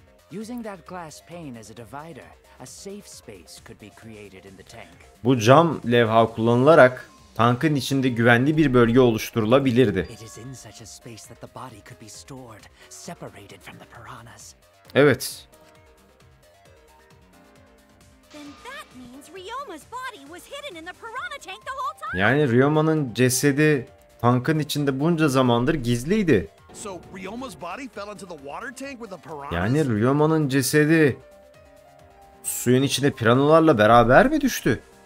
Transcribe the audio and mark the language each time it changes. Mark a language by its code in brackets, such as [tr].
[en] Using that glass pane as a divider, a safe space could be created in the tank. [tr] Bu cam levha kullanılarak tankın içinde güvenli bir bölge oluşturulabilirdi. [en] It is in such a space that the body could be stored, separated from the piranhas. Evet. Then that means Ryoma's body was hidden in the piranha tank the whole time. [tr] Yani Ryoma'nın cesedi tankın içinde bunca zamandır gizliydi. [en] So Ryoma's body fell into the water tank with the piranhas. [tr] Yani Ryoma'nın cesedi suyun içinde piranalarla beraber mi düştü?